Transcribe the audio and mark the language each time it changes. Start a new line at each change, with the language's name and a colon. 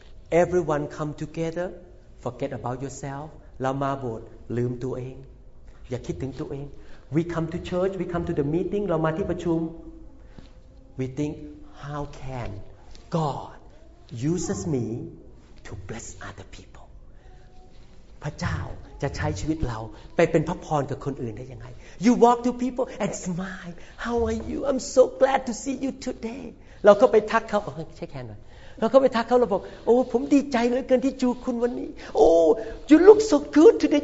English: Everyone come together, forget about yourself.
Thai: เรามาโบสถ์ลืมตัวเองอย่าคิดถึงตัวเอง
English: We come to church, we come to the meeting.
Thai: เรามาที่ประชุม
English: We think, how can God uses me to bless other people?
Thai: พระเจ้าจะใช้ชีวิตเราไปเป็นพระพรกับคนอื่นได้ยังไง
English: You walk to people and smile. How are you? I'm so glad to see you today.
Thai: เราก็ไปทักเขาใช่แค่นั้นเราก็ไปทักเขาเราบอกโอ้ผมดีใจเหลือเกินที่จูคุณวันนี้โอ้
English: you look so good today.